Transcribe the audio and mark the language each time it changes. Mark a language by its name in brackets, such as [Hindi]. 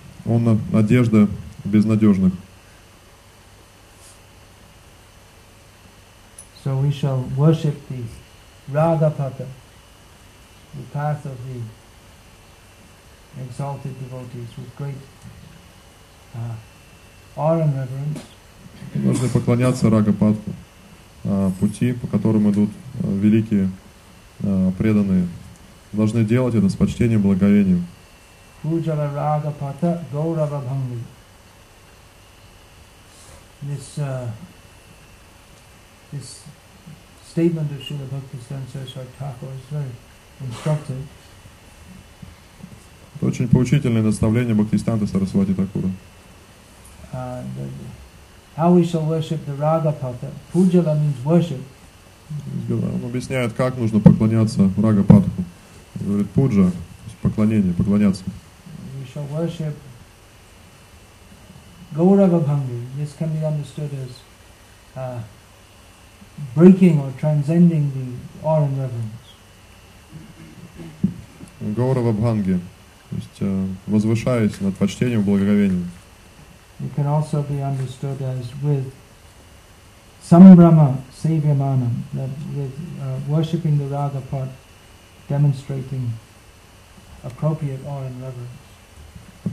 [Russian] Он надежда безнадежных. [English] So we shall worship the Radhapata, the path of the exalted devotees, with great awe and reverence. [Russian] Нужно поклоняться Рагапатху. пути, по которым идут великие преданные, должны делать это с почтением и благоговением. [Bangla] Пуджала рага пата гаурава бханги. [English] This this statement of Srila Bhaktisiddhanta Saraswati Thakur is very instructive. [Russian] Это очень поучительное наставление Бхактисиддханты Сарасвати Такура. [English] How we shall worship the Raga Pata. Pujala means worship. [Russian] Он объясняет, как нужно поклоняться Рага Патху. Говорит, пуджа, поклонение, поклоняться. [English] We shall worship Gaurava Bhangi. This can be understood as breaking or transcending the awe and reverence. Gaurava Bhangi. [Russian] То есть возвышаясь над почтением и благоговением. [English] It can also be understood as with Sambrahma Sevyamanam, that with worshipping the Raga part, demonstrating appropriate awe and reverence.